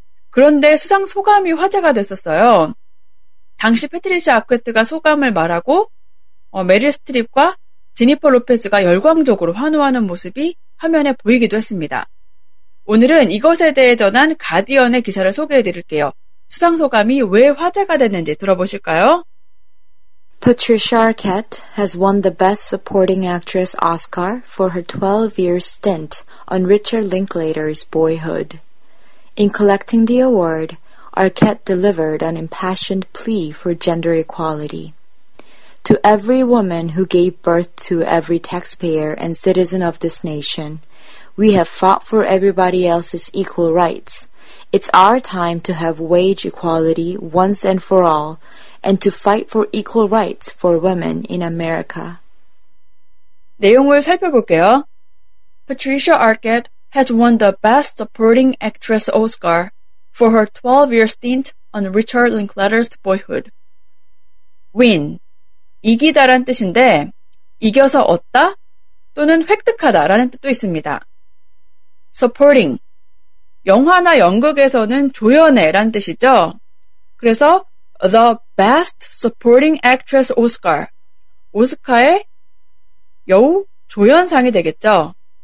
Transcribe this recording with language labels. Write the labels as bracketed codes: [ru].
[ko] 그런데 수상 소감이 화제가 됐었어요. 당시 패트리샤 아쿠에트가 소감을 말하고 메릴 스트립과 제니퍼 로페즈가 열광적으로 환호하는 모습이 화면에 보이기도 했습니다. 오늘은 이것에 대해 전한 가디언의 기사를 소개해드릴게요. 수상 소감이 왜 화제가 됐는지 들어보실까요? [en] Patricia Arquette has won the Best Supporting Actress Oscar for her 12-year stint on Richard Linklater's Boyhood. In collecting the award, Arquette delivered an impassioned plea for gender equality. To every woman who gave birth to every taxpayer and citizen of this nation, we have fought for everybody else's equal rights. It's our time to have wage equality once and for all, and to fight for equal rights for women in America. [ko] 내용을 살펴볼게요. [en] Patricia Arquette has won the Best Supporting Actress Oscar for her 12-year stint on Richard Linklater's Boyhood. [ko] Win, 이기다란 뜻인데 이겨서 얻다 또는 획득하다라는 뜻도 있습니다. Supporting, 영화나 연극에서는 조연해란 뜻이죠. 그래서 [en] The Best Supporting Actress Oscar, [ko] 오스카의 여우 조연상이 되겠죠.